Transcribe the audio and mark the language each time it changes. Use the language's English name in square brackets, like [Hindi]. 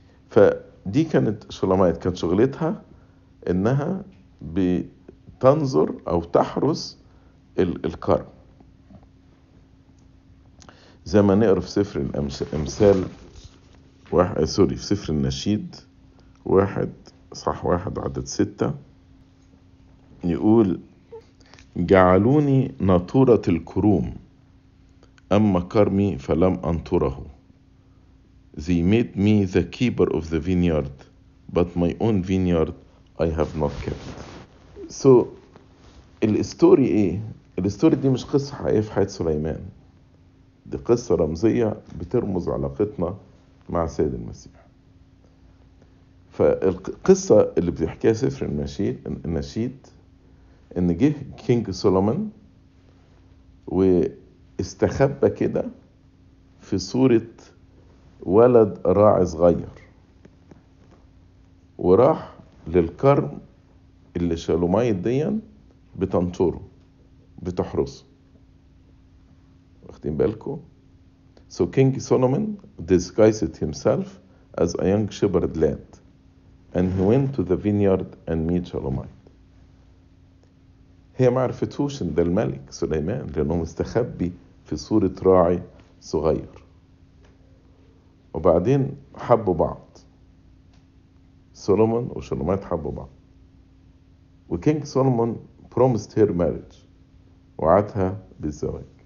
[Arabic] فدي كانت شلمايت كانت شغلتها انها بتنظر او تحرس الكرم زي ما نقرا في سفر الامثال في سفر النشيد واحد صح واحد عدد ستة يقول جعلوني ناطورة الكروم أما كرمي فلم أنطره. [English] They made me the keeper of the vineyard but my own vineyard I have not kept. [Arabic] So الستوري ايه؟ الستوري دي مش قصة حقيقية في حياة سليمان، دي قصة رمزية بترمز علاقتنا مع سيد المسيح. فالقصة اللي بيحكيها سفر النشيد ان جه كينج سولومون واستخبى كده في صورة ولد راعي صغير وراح للكرم اللي شالوماي دي بتنطره بتحرسه. واخدين بالكو؟ [English] So King Solomon disguised himself as a young shepherd lad and he went to the vineyard and met Shalomite. [Arabic] هي ما عرفتوش ان ده الملك سليمان لانه مستخبي في صورة راعي صغير. وبعدين حبوا بعض سولومون وشلومات حبوا بعض وكينج سولومون [English] promised her marriage [Arabic] وعدها بالزواج.